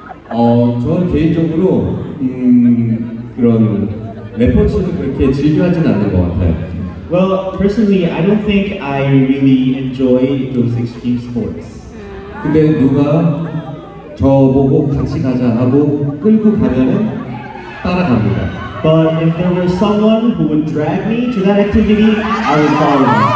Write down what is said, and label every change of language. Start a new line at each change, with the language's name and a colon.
Korean: 저는 개인적으로 그런 레포츠를 그렇게 즐겨하진 않는 것 같아요.
English: Well, personally, I don't think I really enjoy those extreme sports.
Korean: 근데 누가 저 보고 같이 가자 하고 끌고 가면은 따라갑니다.
English: But if there was someone who would drag me to that activity, I would follow.